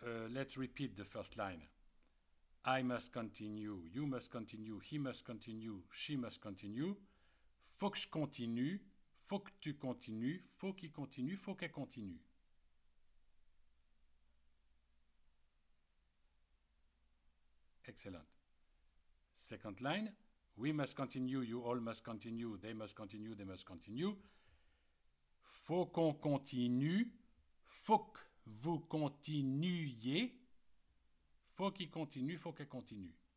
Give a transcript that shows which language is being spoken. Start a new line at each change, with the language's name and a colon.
English: Let's repeat the first line. I must continue, you must continue, he must continue, she must continue.
French: Faut que je continue, faut que tu continues, faut qu'il continue, faut qu'elle continue.
English: Excellent. Second line. We must continue, you all must continue, they must continue, they must continue.
French: Faut qu'on continue, faut que vous continuiez. Faut qu'il continue, faut qu'elle continue.